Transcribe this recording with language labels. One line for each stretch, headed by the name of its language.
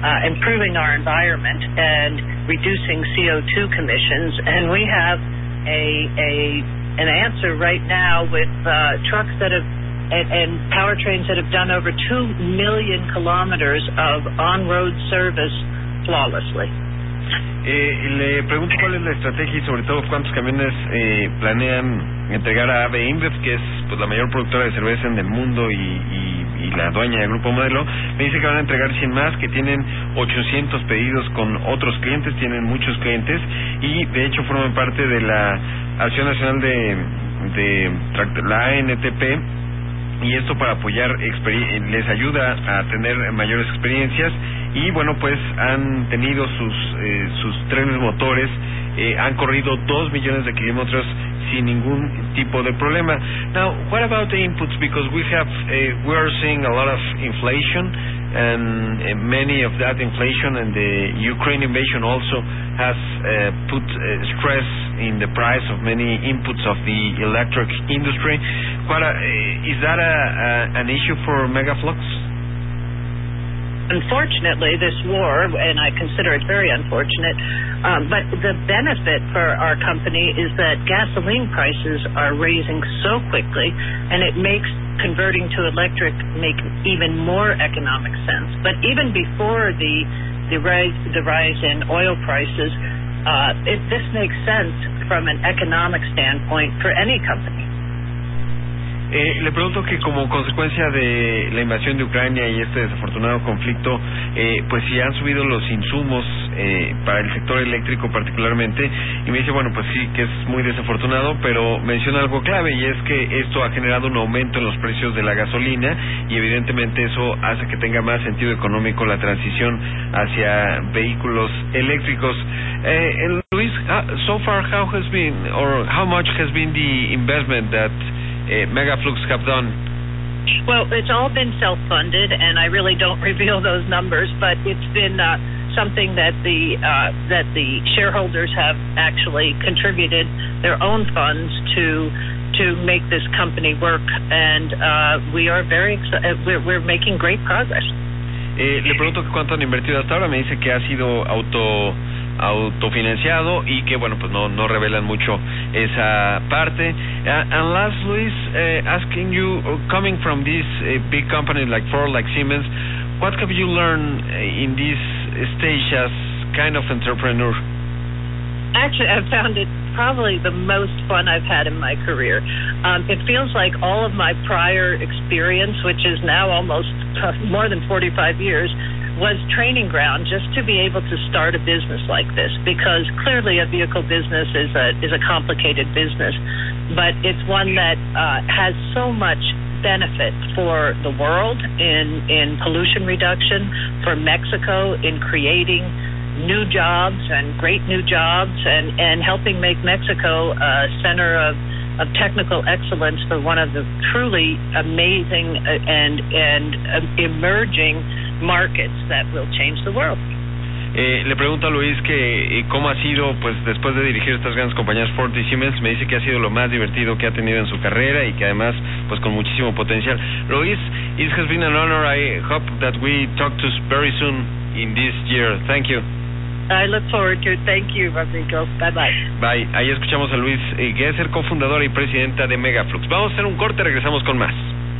English: improving our environment and reducing CO2 emissions, and we have an answer right now with trucks that have and powertrains that have done over 2 million kilometers of on-road service flawlessly.
Spanish: Le pregunto cuál es la estrategia y sobre todo cuántos camiones planean entregar a AVE InBev, que es pues la mayor productora de cerveza en el mundo y la dueña del Grupo Modelo. Me dice que van a entregar 100 más, que tienen 800 pedidos con otros clientes, tienen muchos clientes, y de hecho forman parte de la Acción Nacional de la ANTP, y esto para apoyar, les ayuda a tener mayores experiencias. Y bueno, pues han tenido sus trenes motores, han corrido 2 millones de kilómetros sin ningún tipo de problema.
English: Now, what about the inputs? Because we are seeing a lot of inflation, and many of that inflation and the Ukraine invasion also has put stress in the price of many inputs of the electric industry. Is that an issue for Megaflux? Unfortunately, this war, and I consider it very unfortunate, but the benefit for our company is that gasoline prices are raising so quickly, and it makes converting to electric make even more economic sense. But even before the rise in oil prices, this makes sense from an economic standpoint for any company.
Spanish: Le pregunto que como consecuencia de la invasión de Ucrania y este desafortunado conflicto, pues si han subido los insumos para el sector eléctrico particularmente, y me dice, bueno, pues sí, que es muy desafortunado, pero menciona algo clave, y es que esto ha generado un aumento en los precios de la gasolina, y evidentemente eso hace que tenga más sentido económico la transición hacia vehículos eléctricos.
English: Luis, so far, how has been, or how much has been the investment that Megaflux have done? Well, it's all been self-funded, and I really don't reveal those numbers, but it's been something that the shareholders have actually contributed their own funds to make this company work, and we are very we're making great progress.
Spanish: Le pregunto cuánto han invertido hasta ahora. Me dice que ha sido autofinanciado y que bueno, pues no revelan mucho esa parte.
English: And last, Luis, asking you, coming from these big companies like Ford, like Siemens, what have you learned in this stage as kind of entrepreneur? Actually, I've found it probably the most fun I've had in my career. It feels like all of my prior experience, which is now almost more than 45 years, was training ground just to be able to start a business like this, because clearly a vehicle business is a complicated business, but it's one that has so much benefit for the world in pollution reduction, for Mexico in creating new jobs and great new jobs, and helping make Mexico a center of technical excellence for one of the truly amazing and emerging markets that will change the world.
Spanish: Le pregunto a Luis que cómo ha sido, pues después de dirigir estas grandes compañías Ford y Siemens, me dice que ha sido lo más divertido que ha tenido en su carrera y que además, pues con muchísimo potencial.
English: Luis, it has been an honor. I hope that we talk to very soon in this year. Thank you. I look forward to it. Thank you, Rodrigo. Bye bye.
Spanish: Bye. Ahí escuchamos a Luis Gesser, cofundadora y presidenta de Megaflux. Vamos a hacer un corte, regresamos con más.